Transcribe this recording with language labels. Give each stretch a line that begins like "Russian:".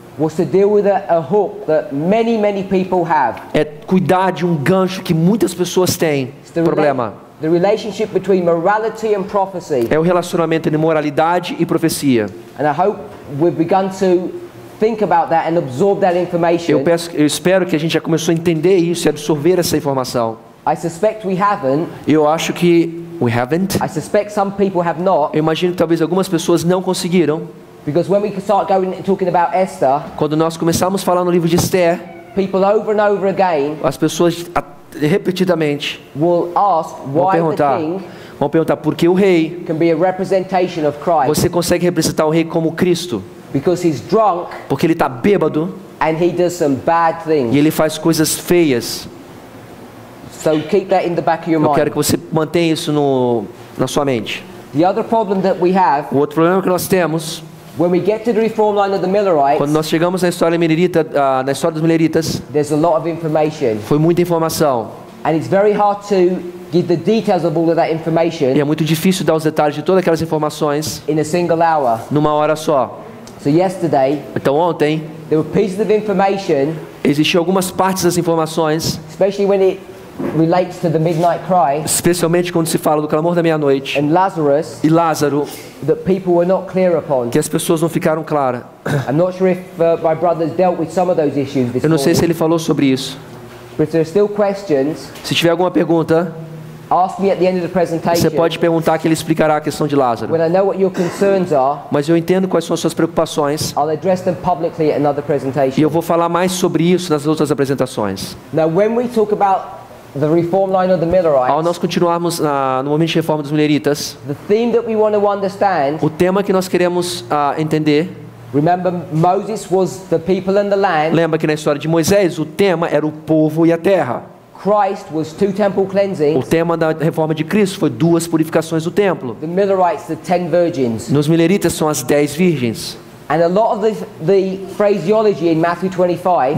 English: was to deal with a hook that many people have.
Portuguese: É cuidar de um gancho que muitas pessoas têm. Problema.
English: The relationship between morality and prophecy.
Portuguese: É o relacionamento entre moralidade e profecia.
English: And I hope we've begun to think about that and absorb that information.
Portuguese: Eu espero que a gente já começou a entender isso e absorver essa informação.
English: I suspect we haven't.
Portuguese: Eu acho que
English: we haven't. I suspect some people have not.
Portuguese: Eu imagino que talvez algumas pessoas não conseguiram.
English: Because when we start going and talking about Esther,
Portuguese: quando nós começamos a falar no livro de Esther,
English: people over and over again,
Portuguese: as pessoas repetidamente
English: will ask why the king,
Portuguese: vão perguntar por que o rei,
English: can be a representation of Christ.
Portuguese: Você consegue representar o rei como Cristo?
English: Because he's drunk,
Portuguese: porque ele está bêbado,
English: and he does some bad things.
Portuguese: E ele faz coisas feias.
English: So keep that in the back of your mind.
Portuguese: Eu quero que você mantenha isso na sua mente.
English: The other problem that we have,
Portuguese: o outro problema que nós temos,
English: when we get to the reform line of the Millerites,
Portuguese: quando nós chegamos na história millerita, na história dos Milleritas,
English: there's a lot of information.
Portuguese: Foi muita informação.
English: And it's very hard to give the details of all of that information.
Portuguese: E é muito difícil dar os detalhes de todas aquelas informações
English: in a single hour.
Portuguese: Numa hora só.
English: So yesterday,
Portuguese: então ontem,
English: there were pieces of information.
Portuguese: Existiam algumas partes das informações.
English: Especially when it relates to the midnight cry,
Portuguese: especialmente quando se fala do clamor da meia-noite,
English: and Lazarus,
Portuguese: e Lázaro,
English: that people were not clear upon,
Portuguese: que as pessoas não ficaram claras.
English: I'm not sure if my brother dealt with some of those issues this
Portuguese: Eu não sei se ele falou sobre isso.
English: But if there are still questions,
Portuguese: se tiver alguma pergunta,
English: ask me at the end of the presentation.
Portuguese: Você pode perguntar que ele explicará a questão de Lázaro.
English: When I know what your concerns are,
Portuguese: mas eu entendo quais são as suas preocupações.
English: I'll address them publicly at another presentation.
Portuguese: E eu vou falar mais sobre isso nas outras apresentações.
English: Now, when we talk about the reform line of the Millerites,
Portuguese: ao nós continuarmos no movimento de reforma dos Milleritas,
English: the theme that we want to understand,
Portuguese: o tema que nós queremos entender.
English: Remember, Moses was the people and the land.
Portuguese: Lembra que na história de Moisés o tema era o povo e a terra.
English: Christ was two temple cleansings.
Portuguese: O tema da reforma de Cristo foi duas purificações do templo.
English: The Millerites, the ten virgins.
Portuguese: Nos Milleritas são as 10 virgens.
English: And a lot of the phraseology in Matthew 25.